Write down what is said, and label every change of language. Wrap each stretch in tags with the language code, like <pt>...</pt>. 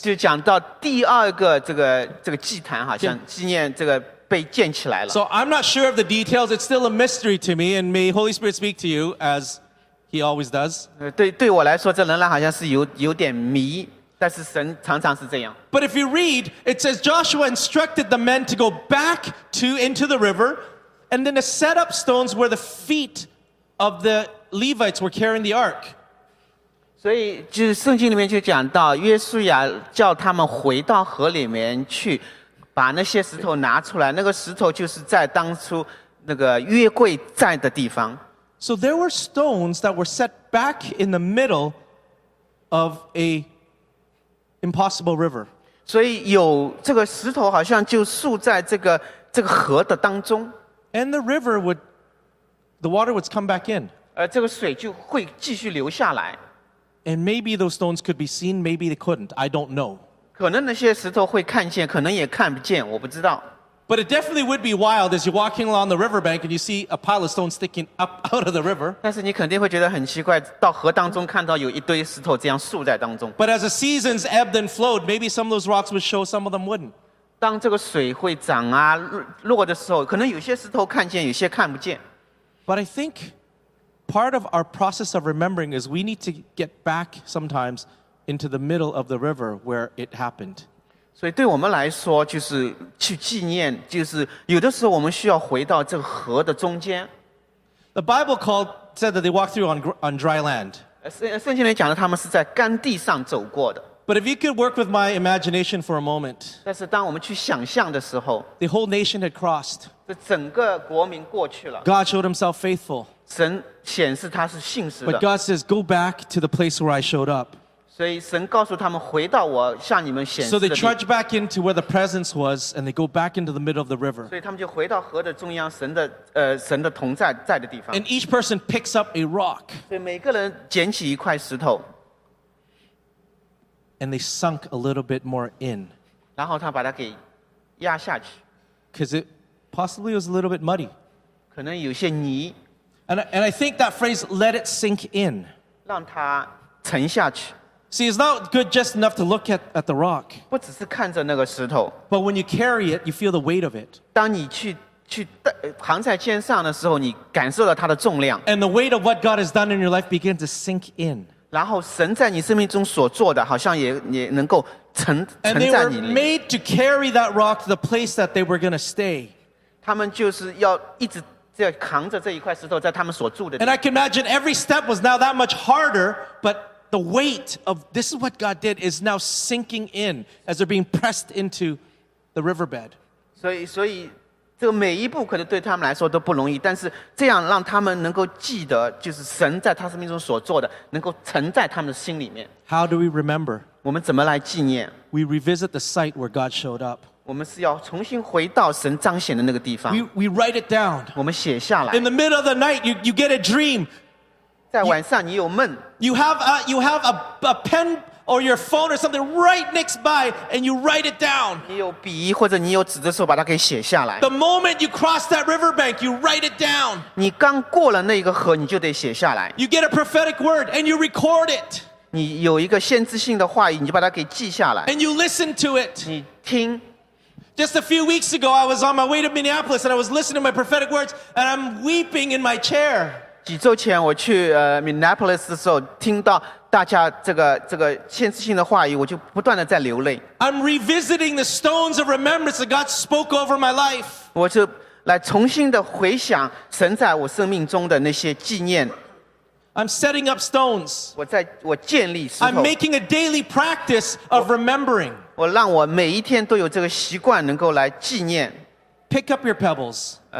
<zh>就讲到第二个这个祭坛，好像纪念这个。</zh> <en>So I'm not sure of the details. It's still a mystery to me, and may Holy Spirit speak to you as He always does.</en> <zh>对我来说，这仍然好像是有点迷，但是神常常是这样。</zh> <en>But if you read, it says Joshua instructed the men to go back into the river, and then to set up stones where the feet of the Levites were carrying the ark.</en> <zh>所以就是圣经里面就讲到，约书亚叫他们回到河里面去。把那些石头拿出来，那个石头就是在当初那个约柜在的地方。</zh> <en>So there were stones that were set back in the middle of a impossible river.</en> <zh>所以有这个石头好像就竖在这个河的当中。</zh> <en>And the river would, the water would come back in.</en> <zh>这个水就会继续流下来。</zh> <en>And maybe those stones could be seen, maybe they couldn't, I don't know.</en> <zh>可能那些石头会看见，可能也看不见，我不知道。</zh> <en>But it definitely would be wild as you're walking along the riverbank and you see a pile of stones sticking up out of the river.</en> <zh>但是你肯定会觉得很奇怪，到河当中看到有一堆石头这样竖在当中。</zh> <en>But as the seasons ebbed and flowed, maybe some of those rocks would show, some of them wouldn't.</en> <zh>当这个水会涨啊，落的时候，可能有些石头看见，有些看不见。</zh> <en>But I think part of our process of remembering is we need to get back sometimes. Into the middle of the river where it happened.</en> <zh>所以对我们来说，就是去纪念，就是有的时候我们需要回到这个河的中间。</zh> <en>The Bible said that they walked through on dry land.</en> <zh>圣经里讲的他们是在干地上走过的。</zh> <en>But if you could work with my imagination for a moment,</en> <zh>但是当我们去想象的时候</zh> <en>the whole nation had crossed.</en> <zh>这整个国民过去了。</zh> <en>God showed himself faithful.</en> <zh>神显示他是信实的。</zh> <en>But God says, go back to the place where I showed up.</en> <zh>所以神告诉他们回到我向你们显示的。</zh> <en>So they trudge back into where the presence was, and they go back into the middle of the river.</en> <zh>所以他们就回到河的中央，神的同在的地方。</zh> <en>And each person picks up a rock.</en> <zh>所以每个人捡起一块石头。</zh> <en>And they sunk a little bit more in.</en> <zh>然后他把它给压下去。</zh> <en>Because it possibly was a little bit muddy.</en> <zh>可能有些泥。</zh> <en>And I think that phrase "let it sink in."</en> <zh>让它沉下去。</zh> <en>See, it's not good just enough to look at the rock.</en> <zh>不只是看着那个石头。</zh> <en>But when you carry it, you feel the weight of it.</en> <zh>当你去扛在肩上的时候，你感受了它的重量。</zh> <en>And the weight of what God has done in your life begins to sink in.</en> <zh>然后神在你生命中所做的，好像也能够承载你。</zh> <en>And they were made to carry that rock to the place that they were going to stay.</en> <zh>他们就是要一直要扛着这一块石头在他们所住的。</zh> <en>And I can imagine every step was now that much harder, but the weight of this is what God did is now sinking in as they're being pressed into the riverbed.</en> <zh>所以这个每一步可能对他们来说都不容易，但是这样让他们能够记得，就是神在他生命中所做的，能够沉在他们的心里面。</zh> <en>How do we remember?</en> <zh>我们怎么来纪念？</zh> <en>We revisit the site where God showed up.</en> <zh>我们是要重新回到神彰显的那个地方。</zh> <en>We write it down.</en> <zh>我们写下来。</zh> <en>In the middle of the night, you get a dream.</en> <zh>在晚上你有梦。</zh> <en>You have a pen or your phone or something right next by, and you write it down.</en> <zh>你有笔或者你有纸的时候，把它给写下来。</zh> <en>The moment you cross that riverbank, you write it down.</en> <zh>你刚过了那个河，你就得写下来。</zh> <en>You get a prophetic word and you record it.</en> <zh>你有一个先知性的话语，你就把它给记下来。</zh> <en>And you listen to it.</en> <zh>你听。</zh> <en>Just a few weeks ago, I was on my way to Minneapolis, and I was listening to my prophetic words, and I'm weeping in my chair.</en> <zh>几周前我去Minneapolis 的时候，听到大家这个先知性的话语，我就不断的在流泪。</zh> <en>I'm revisiting the stones of remembrance that God spoke over my life.</en> <zh>我就来重新的回想神在我生命中的那些纪念。</zh> <en>I'm setting up stones.</en> <zh>我建立石头。</zh> <en>I'm making a daily practice of remembering.</en> <zh>我让我每一天都有这个习惯，能够来纪念。</zh> <en>Pick up your pebbles.</en>